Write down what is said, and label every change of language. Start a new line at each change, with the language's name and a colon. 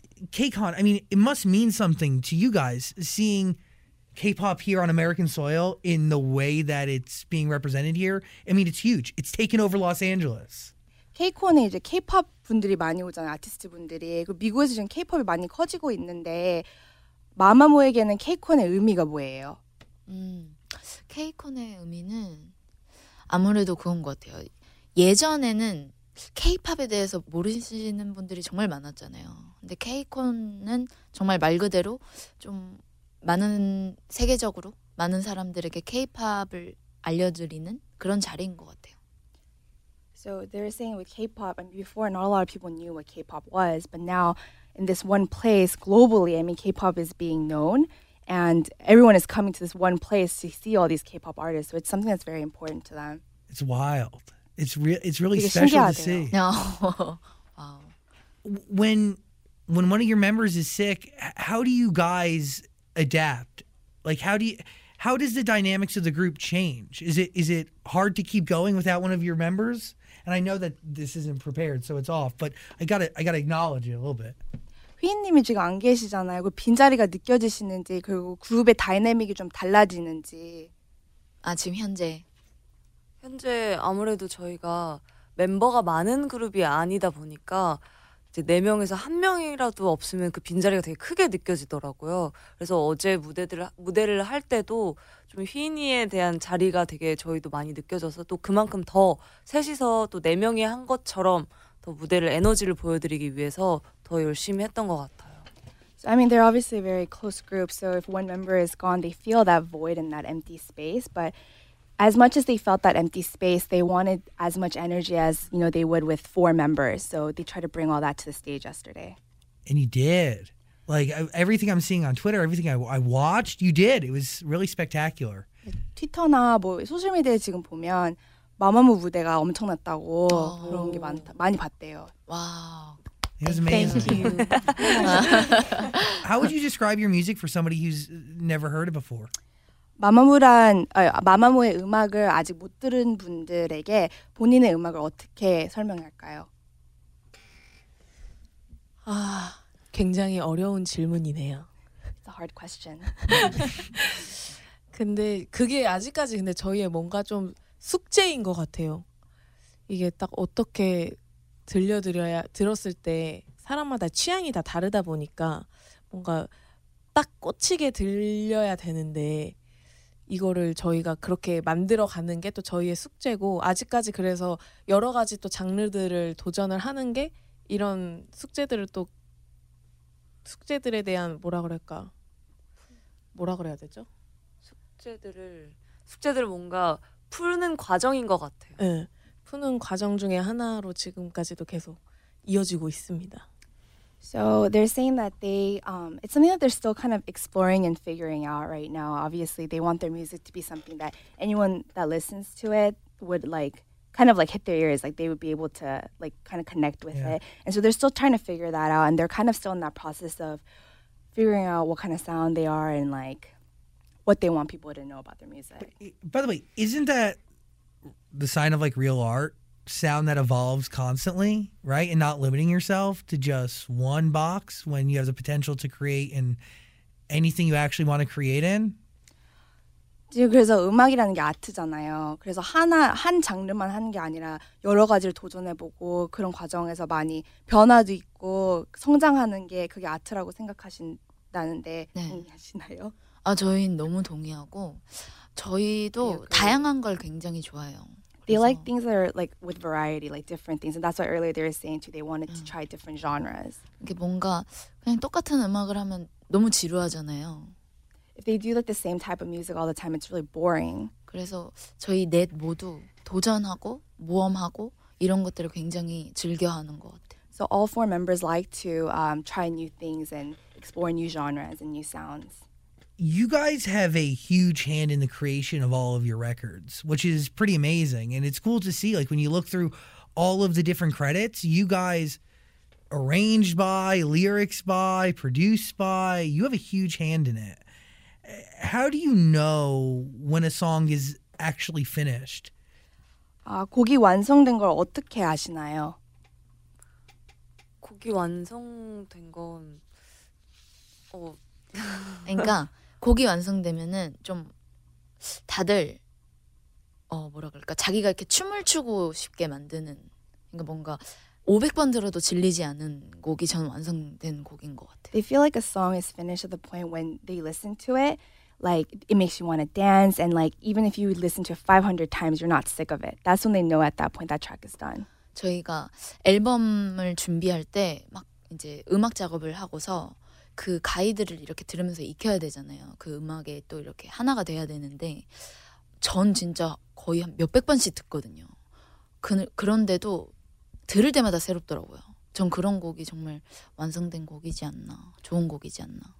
English: KCON, I mean, it must mean something to you guys seeing K-pop here on American soil in the way that it's being represented here. I mean, it's huge. It's taken over Los Angeles.
Korean: KCON에 이제 K-pop 분들이 많이 오잖아요. 아티스트 분들이. 그리고 미국에서 지금 K-pop이 많이 커지고 있는데 마마무에게는 KCON의 의미가 뭐예요? KCON의 의미는 아무래도 그런 것 같아요. 예전에는 K-pop에 대해서 모르시는 분들이 정말 많았잖아요. 근데 K-콘은 정말 말 그대로 좀 많은 세계적으로 많은 사람들에게 K-pop을 알려드리는 그런 자리인 것 같아요.
English: So they're saying with K-pop, and before not a lot of people knew what K-pop was, but now in this one place globally, I mean, K-pop is being known, and everyone is coming to this one place to see all these K-pop artists. So it's something that's very important to them. It's wild. It's really special to see. No. Wow. When one of your members is sick, how do you guys adapt? Like how does the dynamics of the group change? Is it hard to keep going without one of your members? And I know that this isn't prepared, so it's off, but I got to acknowledge it a little bit.
Korean: 휘인님이 지금 안 계시잖아요. 그 빈자리가 느껴지시는지 그리고 그룹의 다이내믹이 좀 달라지는지. 아, 지금 현재 현재 아무래도 저희가 멤버가 많은 그룹이 아니다 보니까 이제 네 명에서 한 명이라도 없으면 그 빈자리가 되게 크게 느껴지더라고요. 그래서 어제 무대를 할 때도 좀 휘인이에 대한 자리가 되게 저희도 많이 느껴져서 또 그만큼 더 셋이서 또 네 명이 한 것처럼 더 무대를 에너지를 보여드리기 위해서 더 열심히 했던 것 같아요.
English: I mean, they're obviously a very close group. So if one member is gone, they feel that void and that empty space. But as much as they felt that empty space, they wanted as much energy as, you know, they would with four members. So they tried to bring all that to the stage yesterday. And you did. Like, everything I'm seeing on Twitter, everything I watched, you did. It was really spectacular.
Korean: 트위터나 뭐 소셜미디어 지금 보면 마마무 무대가 엄청났다고 그런 게 많이 봤대요. 와.
English: It was amazing. Thank you. How would you describe your music for somebody who's never heard it before?
Korean: 마마무란 마마무의 음악을 아직 못 들은 분들에게 본인의 음악을 어떻게 설명할까요? 아, 굉장히 어려운 질문이네요.
English: It's a hard question.
Korean: 근데 그게 아직까지 근데 저희의 뭔가 좀 숙제인 것 같아요. 이게 딱 어떻게 들려드려야 들었을 때 사람마다 취향이 다 다르다 보니까 뭔가 딱 꽂히게 들려야 되는데 이거를 저희가 그렇게 만들어 가는 게 또 저희의 숙제고 아직까지 그래서 여러 가지 또 장르들을 도전을 하는 게 이런 숙제들을 또 숙제들에 대한 뭐라 그럴까 뭐라 그래야 되죠? 숙제들을 뭔가 푸는 과정인 것 같아요. 네, 푸는 과정 중에 하나로 지금까지도 계속 이어지고 있습니다.
English: So they're saying that it's something that they're still kind of exploring and figuring out right now. Obviously, they want their music to be something that anyone that listens to it would like kind of like hit their ears, like they would be able to like kind of connect with it. And so they're still trying to figure that out, and they're kind of still in that process of figuring out what kind of sound they are and like what they want people to know about their music. By the way, isn't that the sign of like real art? Sound that evolves constantly, right? And not limiting yourself to just one box when you have the potential to create in anything you actually want to create in?
Korean: 지금 그래서 음악이라는 게 아트잖아요. 그래서 하나 한 장르만 하는 게 아니라 여러 가지를 도전해보고 그런 과정에서 많이 변화도 있고 성장하는 게 그게 아트라고 생각하신다는데 동의하시나요? 네. 아, 저희는 너무 동의하고 저희도 다양한 걸 굉장히 좋아해요.
English: They like things that are like with variety, like different things. And that's what earlier they were saying too. They wanted to try different genres.
Korean: 이게 뭔가 그냥 똑같은 음악을 하면 너무 지루하잖아요.
English: If they do like the same type of music all the time, it's really boring.
Korean: 그래서 저희 넷 모두 도전하고 모험하고 이런 것들을 굉장히 즐겨하는 것 같아요.
English: So all four members like to try new things and explore new genres and new sounds. You guys have a huge hand in the creation of all of your records, which is pretty amazing. And it's cool to see, like, when you look through all of the different credits, you guys arranged by, lyrics by, produced by, you have a huge hand in it. How do you know when a song is actually finished?
Korean: 아, 곡이 완성된 걸 어떻게 아시나요? 곡이 완성된 건... 그러니까 곡이 완성되면은 좀 다들 뭐라 그럴까 자기가 이렇게 춤을 추고 싶게 만드는 그러니까 뭔가 500번 들어도 질리지 않은 곡이 전 완성된 곡인 것 같아요.
English: They feel like a song is finished at the point when they listen to it, like it makes you want to dance, and like even if you would listen to it 500 times, you're not sick of it. That's when they know at that point that track is done.
Korean: 저희가 앨범을 준비할 때 막 이제 음악 작업을 하고서 그 가이드를 이렇게 들으면서 익혀야 되잖아요. 그 음악에 또 이렇게 하나가 돼야 되는데 전 진짜 거의 한 몇백 번씩 듣거든요. 그런데도 들을 때마다 새롭더라고요. 전 그런 곡이 정말 완성된 곡이지 않나, 좋은 곡이지 않나.